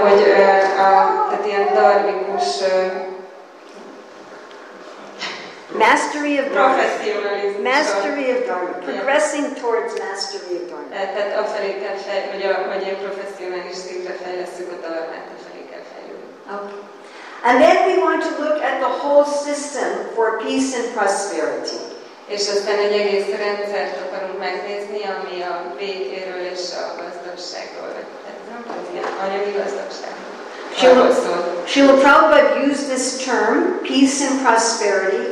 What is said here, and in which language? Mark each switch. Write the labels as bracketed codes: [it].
[hu] Hogy tehát ilyen dharmikus [en] mastery of professionalism. Mastery of dharma. Progressing towards mastery of dharma. [hu] Tehát a felé kell fejlődni, hogy a professzionális szintre fejlesztjük a dharmát, a felé kell fejlődni. [en] And then we want to look at the whole system for peace and prosperity. [hu] És aztán egy egész rendszert akarunk megnézni, ami a békéről és a gazdagságról. Tehát az ilyen anyagi gazdagságról. [en] Srila Prabhupada used this term, peace and prosperity,